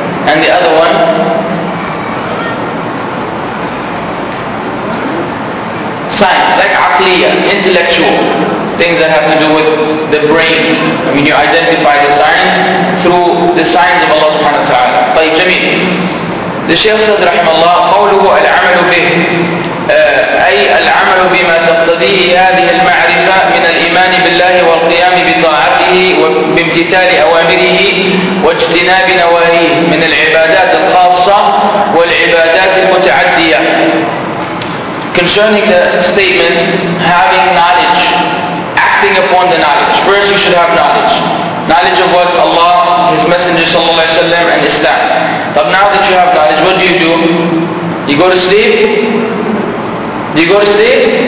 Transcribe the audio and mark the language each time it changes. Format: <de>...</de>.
<en>And the other one, science, like عقلية, intellectual, things that have to do with the brain. I mean, you identify the science through the signs of Allah subhanahu wa ta'ala.</en> <ar>طيب جميل.</ar> <en>The Shaykh says,</en> <ar>رحم الله, قوله العمل به. أي العمل بما تقتضيه هذه المعرفة من الإيمان بالله والقيام بطاعته وبامتثال أوامره واجتناب نواهيه من العبادات الخاصة والعبادات المتعدية.</ar> <en>Concerning the statement, having knowledge, acting upon the knowledge. First you should have knowledge. Knowledge of what? Allah, His Messenger</en> <ar>صلى الله عليه وسلم</ar> <en>and Islam. But now that you have knowledge, what do? You go to sleep? Do you go to sleep?</en>